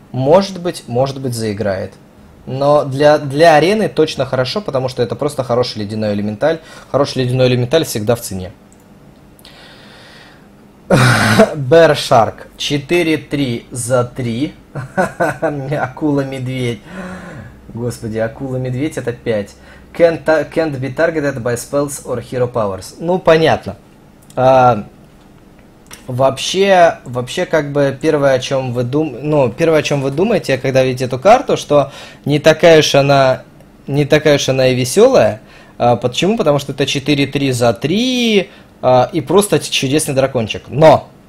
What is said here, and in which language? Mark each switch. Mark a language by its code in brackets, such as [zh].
[ru] Может быть, заиграет. Но для арены точно хорошо, потому что это просто хороший ледяной элементаль. Хороший ледяной элементаль всегда в цене. Бершарк 4-3 за 3. Акула-медведь. Господи, акула-медведь это 5. [en] Can't be targeted by spells or hero powers. [ru] Ну, понятно. Вообще, как бы первое, о чем вы думаете, когда видите эту карту, что не такая уж она и веселая. Почему? Потому что это 4-3 за 3 и просто чудесный дракончик. Но!